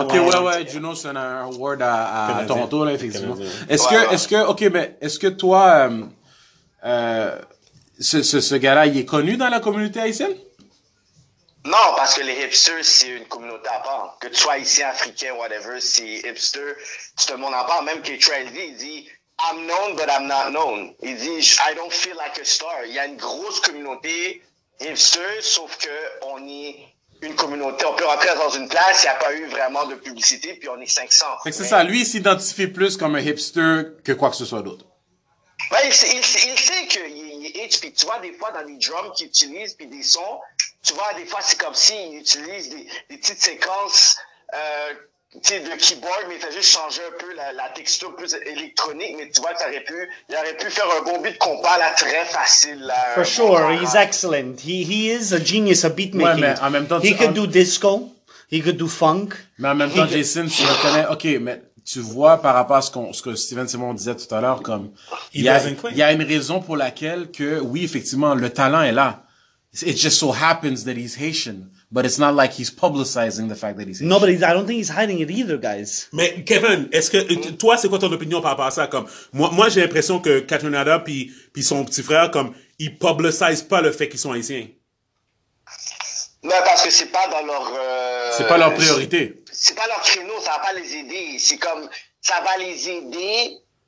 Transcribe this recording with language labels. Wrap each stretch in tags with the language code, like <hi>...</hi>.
<fr>Ok, ouais, Juno, c'est un award à Toronto, là, effectivement. Est-ce que toi, ce gars-là, il est connu dans la communauté haïtienne? Non, parce que les hipsters, c'est une communauté à part. Que tu sois ici, africain, whatever, c'est hipster, c'est un monde à part. Même que Trendy, il dit,</fr> <en>I'm known, but I'm not known.</en> <fr>Il dit,</fr> <en>I don't feel like a star.</en> <fr>Il y a une grosse communauté hipster, sauf qu'on est une communauté. On peut rentrer dans une place, il n'y a pas eu vraiment de publicité, puis on est 500. Mais c'est ça, lui, il s'identifie plus comme un hipster que quoi que ce soit d'autre. Ben, il sait qu'il est HP. Tu vois, des fois, dans les drums qu'il utilise, puis des sons, tu vois, des fois, c'est comme s'il utilise des petites séquences de keyboard, mais il fait juste changer un peu la texture plus électronique. Mais tu vois, il aurait pu faire un bon beat compas, là, très facile. Là,</fr> <en>for sure, bon, he's excellent. He is a genius, a beat making.</en> <fr>Ouais, mais en même temps,</fr> <en>he could do disco, he could do funk.</en> <fr>Mais en même temps, Jason, tu le connais. OK, mais tu vois, par rapport à ce que Steven Simon disait tout à l'heure, comme il y a une raison pour laquelle que, oui, effectivement, le talent est là.</fr> <en>It just so happens that he's Haitian, but it's not like he's publicizing the fact that he's Haitian. No, but I don't think he's hiding it either, guys.</en> <fr>Mais Kevin, est-ce que toi, c'est quoi ton opinion par rapport à ça? Comme moi j'ai l'impression que Catherine Adam puis son petit frère, comme ils publicisent pas le fait qu'ils sont haïtiens. Non, parce que c'est pas dans leur. C'est pas leur priorité. C'est pas leur créneau, ça va pas les aider. C'est comme ça va les aider.</fr>